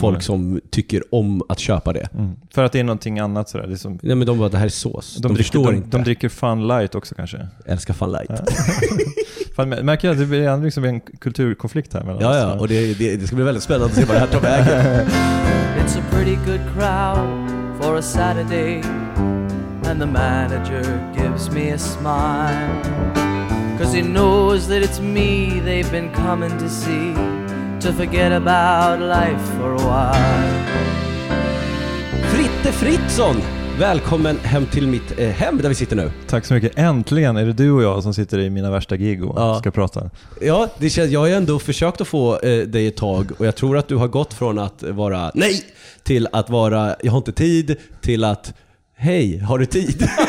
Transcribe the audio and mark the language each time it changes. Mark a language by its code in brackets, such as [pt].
[sv] Folk som tycker om att köpa det. Mm. För att det är någonting annat sådär. Det är som, nej, men de bara, det här är sås. De dricker Fun Light också kanske. Jag älskar Fun Light. Märker jag att det blir liksom en kulturkonflikt här mellan oss. Ja, och det ska bli väldigt spännande att se vad det här tar vägen. [en] It's a pretty good crowd for a Saturday, and the manager gives me a smile, 'cause he knows that it's me they've been coming to see, to forget about life for a while. Fritte Fritzson, [sv] Välkommen hem till mitt hem där vi sitter nu. Tack så mycket. Äntligen är det du och jag som sitter i mina värsta gig och ska prata. Ja, det känns, jag har ändå försökt att få dig ett tag och jag tror att du har gått från att vara nej till att vara jag har inte tid till att hej, har du tid?